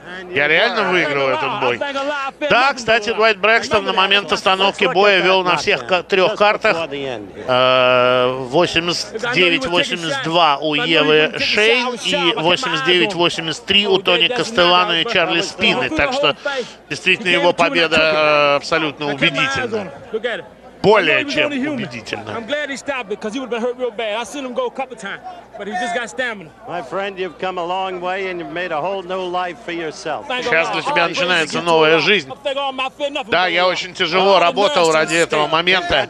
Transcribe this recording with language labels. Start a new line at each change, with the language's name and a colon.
Russian: Я реально выиграл этот бой. Да, кстати, Дуайт Брэкстон на момент остановки боя вел на всех трех картах 89-82 у Евы Шейн и 89-83 у Тони Кастеллано и Чарли Спины, так что действительно его победа абсолютно убедительна. Более чем убедительно.
English: I'm glad he stopped it, because he would have been hurt real bad. I've seen him go a couple times, but he just got stamina. My friend, you've come a long way, and you've made a whole new life for yourself.
Russian: Сейчас для тебя начинается новая жизнь. Да, я очень тяжело работал ради этого момента.